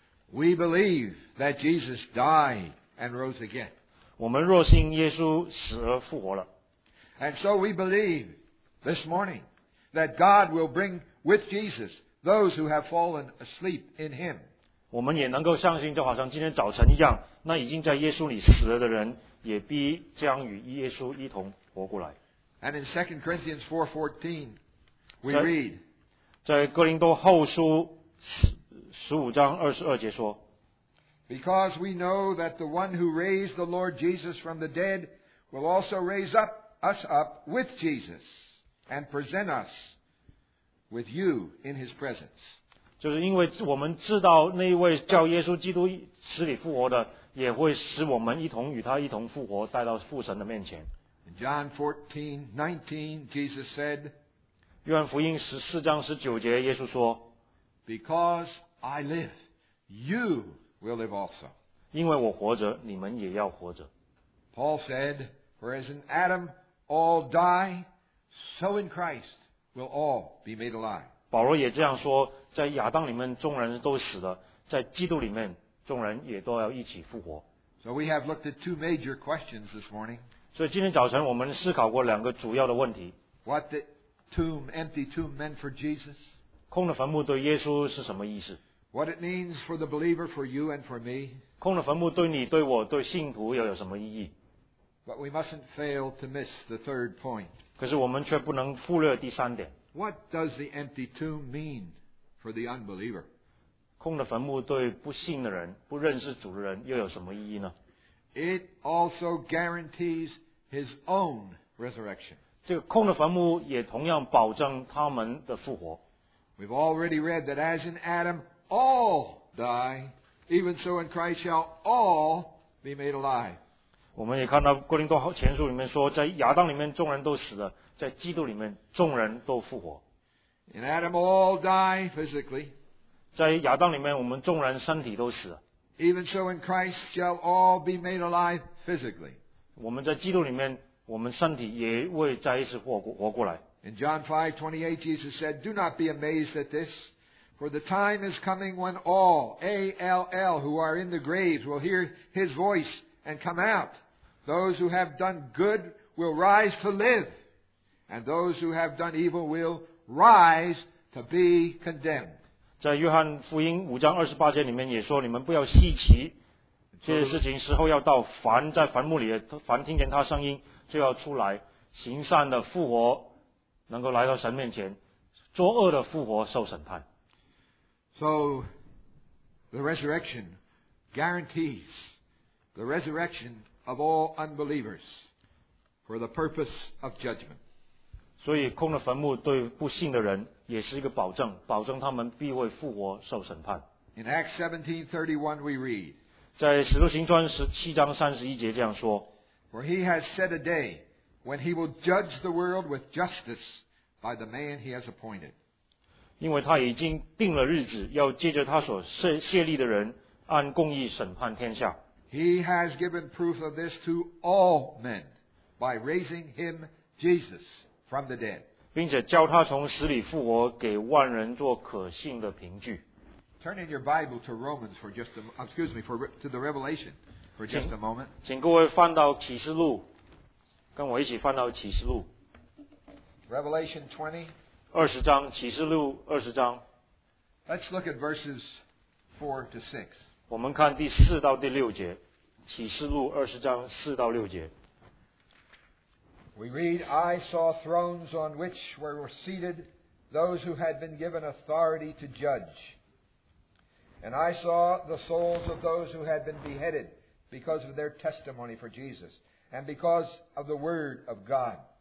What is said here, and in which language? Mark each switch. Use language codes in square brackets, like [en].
[en] We believe that Jesus died and rose again. [zh] 我们若信耶稣死而复活了。 [en] And so we believe this morning that God will bring with Jesus those who have fallen asleep in him. [zh] 我们也能够相信就好像今天早晨一样，那已经在耶稣里死了的人也必将与耶稣一同活过来。 [en] And in 2 Corinthians 4:14, we read, [zh] 在哥林多后书15:22说， [en] Because we know that the one who raised the Lord Jesus from the dead will also raise up us up with Jesus and present us with you in his presence. [zh] 就是因为我们知道那一位叫耶稣基督死里复活的，也会使我们一同与他一同复活，带到父神的面前。 [en] In John 14:19, Jesus said, [zh] 约翰福音14:19，耶稣说， [en] Because I live, you will live also. [zh] 因为我活着，你们也要活着。 [en] Paul said, For as in Adam all die, so in Christ will all be made alive. [zh] 保罗也这样说，在亚当里面众人都死了，在基督里面众人也都要一起复活。 [en] So we have looked at two major questions this morning. [zh] 所以今天早晨我们思考过两个主要的问题。 [en] What the tomb, empty tomb meant for Jesus? [zh] 空的坟墓对耶稣是什么意思？ [en] What it means for the believer, for you and for me? [zh] 空的坟墓对你、对我、对信徒又有什么意义？ [en] But we mustn't fail to miss the third point. [zh] 可是我们却不能忽略第三点。 [en] What does the empty tomb mean for the unbeliever? [zh] 空的坟墓对不信的人、不认识主的人又有什么意义呢？ [en] It also guarantees his own resurrection. [zh] 这个空的坟墓也同样保证他们的复活。 [en] We've already read that as in Adam all die, even so in Christ shall all be made alive. [zh] 我们也看到哥林多前书里面说，在亚当里面众人都死了，在基督里面众人都复活。 [en] In Adam all die physically. [zh] 在亚当里面我们众人身体都死了。 [en] Even so in Christ shall all be made alive physically. [zh] 我们在基督里面我们身体也会再一次活过来。 [en] In John 5:28, Jesus said, Do not be amazed at this, for the time is coming when all, A-L-L, who are in the graves will hear his voice and come out. Those who have done good will rise to live, and those who have done evil will rise to be condemned. [zh] 在约翰福音五章二十八节里面也说，你们不要稀奇，这些事情时候要到，凡在坟墓里的，凡听见他声音就要出来，行善的复活能够来到神面前，作恶的复活受审判。 [en] So the resurrection guarantees the resurrection of all unbelievers for the purpose of judgment. [zh] 所以空的坟墓对不信的人也是一个保证，保证他们必会复活受审判。 [en] In Acts 17:31 we read, [zh] 在使徒行传17章31节这样说， [en] For he has set a day when he will judge the world with justice by the man he has appointed. [zh] 因为他已经定了日子，要借着他所设立的人按公义审判天下。 [en] He has given proof of this to all men by raising him, Jesus, from the dead. [zh] 并且教他从死里复活，给万人做可信的凭据。 [en] Turn in your Bible to Romans for just a, excuse me, for to the Revelation for just a moment. [zh] 请各位翻到启示录，跟我一起翻到启示录。 [en] Revelation 20. [zh] 二十章，启示录二十章。 [en] Let's look at verses 4-6. [zh] 我们看第四到第六节，启示录二十章四到六节。 [en] We read, I saw thrones on which were seated those who had been given authority to judge. And I saw the souls of those who had been beheaded because of their testimony for Jesus and because of the word of God.